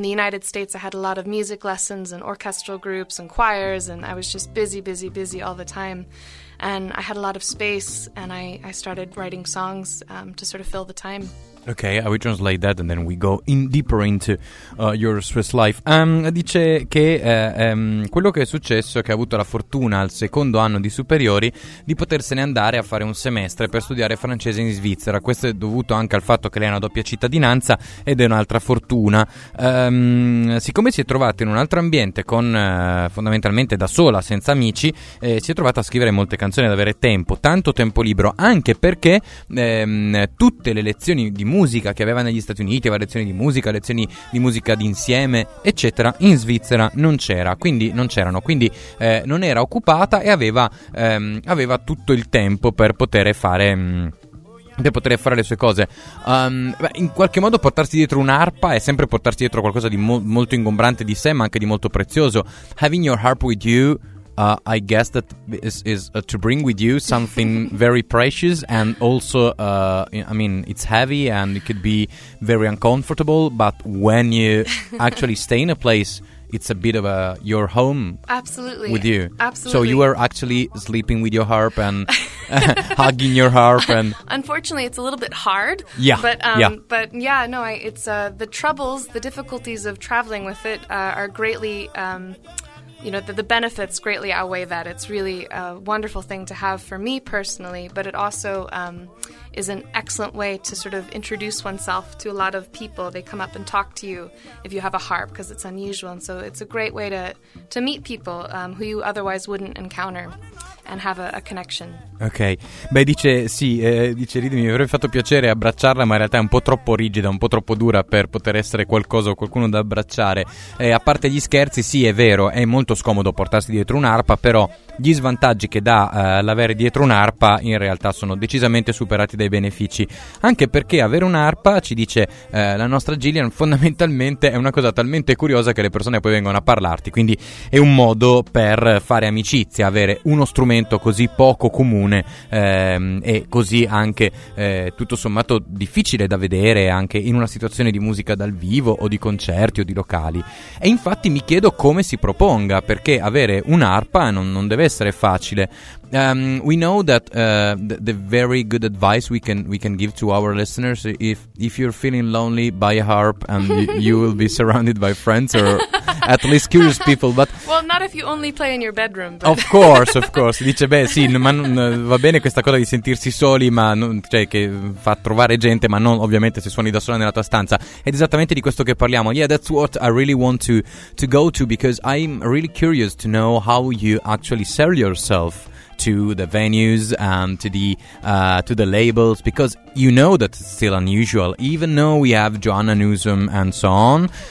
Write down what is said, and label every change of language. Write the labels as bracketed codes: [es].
[en] In the United States, I had a lot of music lessons and orchestral groups and choirs, and I was just busy, busy, busy all the time. And I had a lot of space, and I started writing songs to sort of fill the time. Okay, I will translate that and then we go in deeper into your Swiss life. [it] Dice che quello che è successo è che ha avuto la fortuna al secondo anno di superiori di potersene andare a fare un semestre per studiare francese in Svizzera. Questo è dovuto anche al fatto che lei ha una doppia cittadinanza ed è un'altra fortuna. Siccome si è trovata in un altro ambiente, con fondamentalmente da sola, senza amici, si è trovata a scrivere molte canzoni, ad avere tempo, tanto tempo libero, anche perché tutte le lezioni di musica che aveva negli Stati Uniti, variazioni di musica, lezioni di musica d'insieme, eccetera, in Svizzera non c'era, quindi non c'erano, quindi non era occupata e aveva tutto il tempo per poter fare le sue cose. In qualche modo portarsi dietro un'arpa è sempre portarsi dietro qualcosa di molto ingombrante di sé, ma anche di molto prezioso. [en] Having your harp with you, I guess that is to bring with you something very precious, and also, I mean, it's heavy and it could be very uncomfortable, but when you actually stay in a place, it's a bit of your home. Absolutely. With you. Absolutely. So you are actually sleeping with your harp and hugging your harp. And unfortunately, it's a little bit hard. Yeah. The troubles, the difficulties of traveling with it are greatly... you know, the benefits greatly outweigh that. It's really a wonderful thing to have for me personally, but it also is an excellent way to sort of introduce oneself to a lot of people. They come up and talk to you if you have a harp, because it's unusual. And so it's a great way to meet people who you otherwise wouldn't encounter. And have a connection. [it] Ok, beh, dice sì, dice ridimi, mi avrebbe fatto piacere abbracciarla, ma in realtà è un po' troppo rigida, un po' troppo dura per poter essere qualcosa o qualcuno da abbracciare. A parte gli scherzi, sì, è vero, è molto scomodo portarsi dietro un'arpa, però gli svantaggi che dà l'avere dietro un'arpa in realtà sono decisamente superati dai benefici. Anche perché avere un'arpa, ci dice la nostra Gillian, fondamentalmente è una cosa talmente curiosa che le persone poi vengono a parlarti. Quindi è un modo per fare amicizia, avere uno strumento così poco comune e così anche tutto sommato difficile da vedere anche in una situazione di musica dal vivo o di concerti o di locali. E infatti mi chiedo come si proponga, perché avere un'arpa non deve essere facile. [en] We know that the very good advice we can give to our listeners, if you're feeling lonely, buy a harp and you will be surrounded by friends or at least curious people. But well, not if you only play in your bedroom. But of course, of course. [it] Dice, beh, sì, ma va bene questa cosa di sentirsi soli, ma cioè che fa trovare gente, ma non ovviamente se suoni da sola nella tua stanza. Ed esattamente di questo che parliamo. [en] Yeah, that's what I really want to go to, because I'm really curious to know how you actually sell yourself to the venues and to the labels, because you know that it's still unusual, even though we have Joanna Newsom and so on.